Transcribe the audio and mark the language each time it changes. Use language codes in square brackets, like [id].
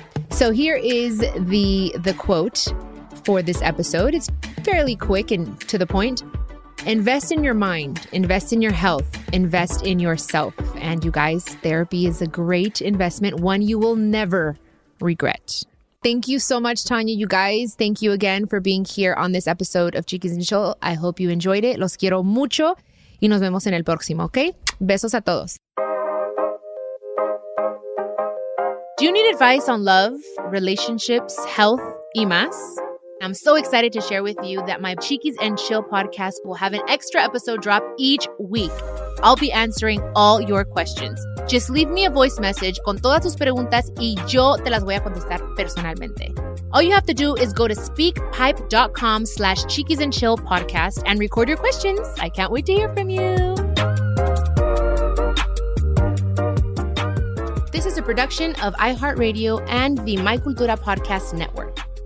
[en] So here is the quote for this episode. It's fairly quick and to the point. Invest in your mind, invest in your health, invest in yourself. And you guys, therapy is a great investment, one you will never regret. Thank you so much, Tanya. You guys, thank you again for being here on this episode of Chiquis and Chill. I hope you enjoyed it. [es] Los quiero mucho y nos vemos en el próximo, okay? Besos a todos. [en] Do you need advice on love, relationships, health, [es] y más? [en] I'm so excited to share with you that my Chiquis and Chill podcast will have an extra episode drop each week. I'll be answering all your questions. Just leave me a voice message [es] con todas tus preguntas y yo te las voy a contestar personalmente. [en] All you have to do is go to speakpipe.com/Chiquis and Chill podcast and record your questions. I can't wait to hear from you. This is a production of iHeartRadio and the My Cultura Podcast Network.